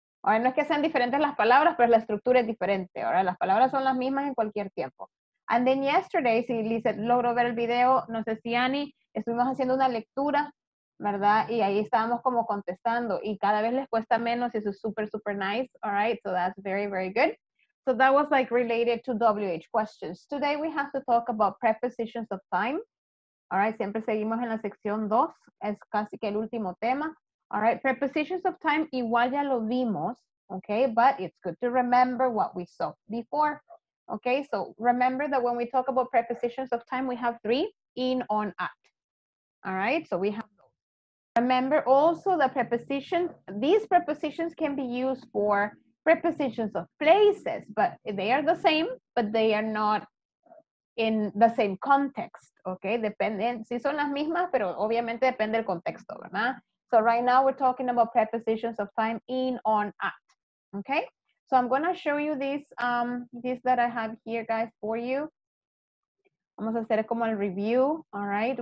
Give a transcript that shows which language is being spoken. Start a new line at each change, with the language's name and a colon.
Spanish: Ahora no es que sean diferentes las palabras, pero la estructura es diferente. Ahora las palabras son las mismas en cualquier tiempo.
English: And then yesterday,
Spanish: si Liz logró ver el video, no sé si Annie, estuvimos haciendo una lectura, ¿verdad? Y ahí estábamos como contestando y cada vez les cuesta menos y eso es
English: super, super nice. All right, so that's very, very good. So that was like related to WH questions. Today we have to talk about prepositions of time. All right,
Spanish: siempre seguimos en la sección 2. Es casi que el último tema.
English: All right, prepositions of time,
Spanish: igual ya lo vimos,
English: okay? But it's good to remember what we saw before, okay? So remember that when we talk about prepositions of time, we have 3, in, on, at, all right? So we have those. Remember also the prepositions, these prepositions can be used for prepositions of places, but they are the same, but they are not in the same context, okay?
Spanish: Dependen, sí son las mismas, pero obviamente depende del contexto, ¿verdad?
English: So right now we're talking about prepositions of time in, on, at, okay? So I'm going to show you this that I have here, guys, for you.
Spanish: Vamos a hacer como el review,
English: all right?